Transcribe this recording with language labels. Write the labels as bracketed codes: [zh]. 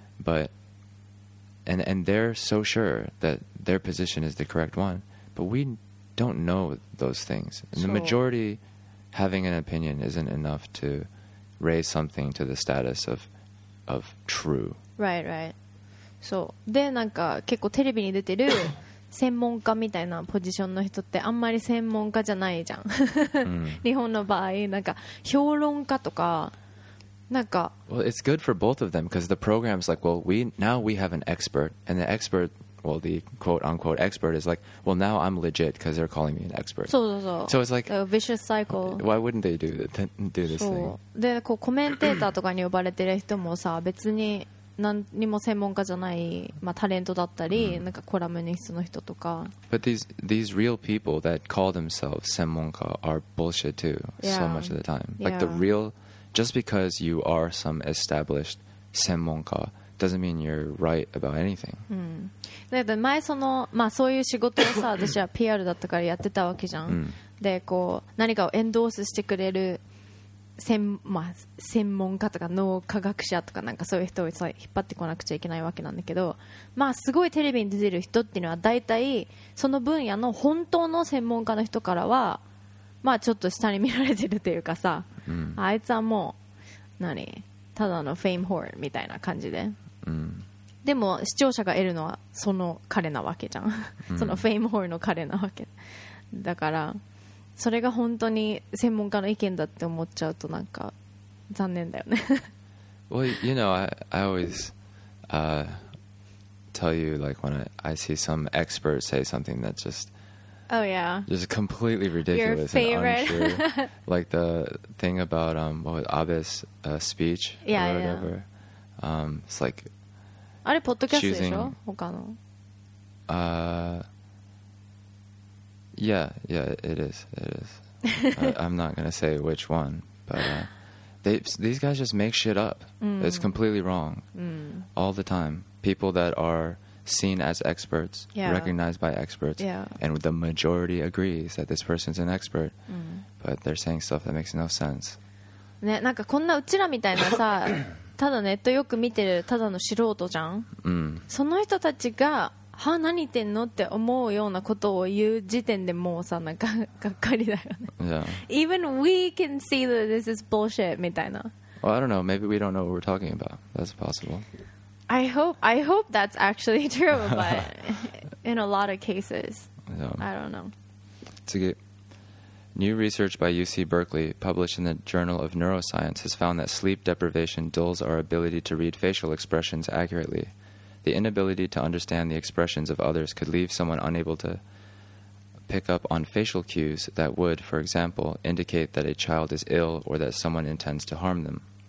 [en] But, and they're so sure that their position is the correct one. But we don't know those things. And the majority having an opinion isn't enough to raise something to the status of true. Right, right. [ja] そうでなんか結構テレビに出てる専門家みたいなポジションの人ってあんまり専門家じゃないじゃん日本の場合なんか評論家とかなんか [en] Well, it's good for both of them because the program's like, well, now we have an expert and the expert, well, the quote-unquote expert is like, well, now I'm legit because they're calling me an expert. [ja] そうそうそう [en] So it's like a vicious cycle. Why wouldn't they do this thing? [ja] でこうコメンテーターとかに呼ばれてる人もさ別に何にも専門家じゃない、まあ、タレントだったり、mm-hmm. なんかコラムニストの人とか [en] But these real people that call themselves 専門家 are bullshit too、yeah. so much of the time like、yeah. the real just because you are some established 専門家doesn't mean you're right about anything、 [ja] うん、だけど前その、まあ、そういう仕事をさ私は PR だったからやってたわけじゃん、mm-hmm. でこう何かをエンドースしてくれる専, まあ、専門家とか脳科学者と か, なんかそういう人を引っ張ってこなくちゃいけないわけなんだけど、まあ、すごいテレビに出てる人っていうのは大体その分野の本当の専門家の人からは、まあ、ちょっと下に見られてるというかさ、うん、あいつはもう何ただのフェイムホールみたいな感じで、うん、でも視聴者が得るのはその彼なわけじゃん、うん、そのフェイムホールの彼なわけだからそれが本当に専門家の意見だって思っちゃうとなんか残念だよね [en] Well, you know, I always、tell you like when I see some expert say something that's just Oh yeah Just completely ridiculous Your favorite Like the thing about Abe's speech yeah, or whatever yeah. It's like [ja] あれポッドキャストでしょ choosing, 他の、 [en] Yeah, yeah, it is. It is. I'm not going to say which one, but these guys just make shit up. Mm. It's completely wrong. Mm. All the time. People that are seen as experts, yeah. recognized by experts, yeah. and the majority agrees that this person's an expert, mm. but they're saying stuff that makes no sense. [ja] ね、なんかこんなうちらみたいなさ、ただネットよく見てるただの素人じゃん。 [en] Mm. [ja] その人たちがは何言ってんのって思うようなことを言う時点でもうさなんかがっかりだよね、 [en] yeah. Even we can see that this is bullshit みたいな Well, I don't know, maybe we don't know what we're talking about That's possible I hope that's actually true But in a lot of cases、 yeah. I don't know 次 New research by UC Berkeley published in the Journal of Neuroscience has found that sleep deprivation dulls our ability to read facial expressions accurately The inability to understand the expressions of others could leave someone unable to pick up on facial cues that would, for example, indicate that a child is ill or that someone intends to harm them.